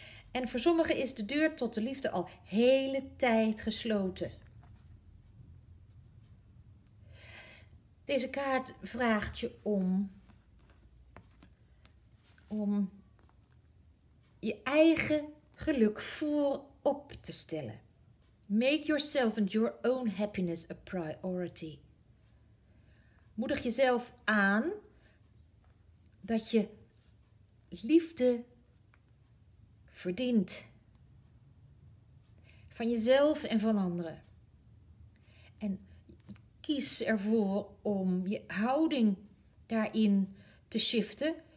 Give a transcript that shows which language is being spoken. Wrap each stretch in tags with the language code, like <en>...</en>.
<nl>En voor sommigen is de deur tot de liefde al hele tijd gesloten. Deze kaart vraagt je om je eigen geluk voorop te stellen.</nl> <en>Make yourself and your own happiness a priority.</en> <nl>Moedig jezelf aan dat je liefde verdient. van jezelf en van anderen. En kies ervoor om je houding daarin te shiften.</nl>